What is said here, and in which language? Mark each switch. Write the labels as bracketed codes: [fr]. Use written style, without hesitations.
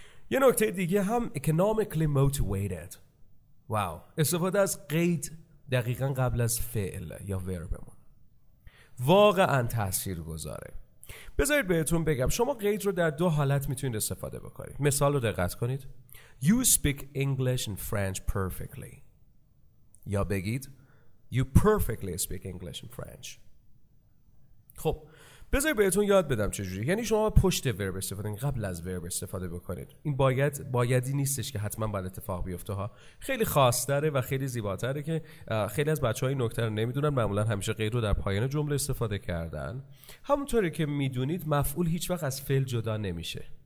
[fa] یه نکته دیگه هم [en] economically motivated. [fa] واو، استفاده از قید دقیقا قبل از فعل یا وربمون واقعا تأثیر گذاره. بذارید بهتون بگم، شما قید رو در دو حالت میتونید استفاده بکنید. مثال رو دقت کنید. [en] You speak English and French perfectly. [fa] یا بگید [en] You perfectly speak English and French. [fa] خب بذارید بهتون یاد بدم چجوری. یعنی شما پشت ورب استفاده، قبل از ورب استفاده بکنید. این بایدی نیستش که حتما باید اتفاق بیفته ها. خیلی خاص‌تره و خیلی زیباتره که خیلی از بچه‌ها این نکته رو نمی‌دونن. معمولا همیشه قید رو در پایان جمله استفاده کردن. همونطوری که میدونید مفعول هیچ وقت از فعل جدا نمیشه.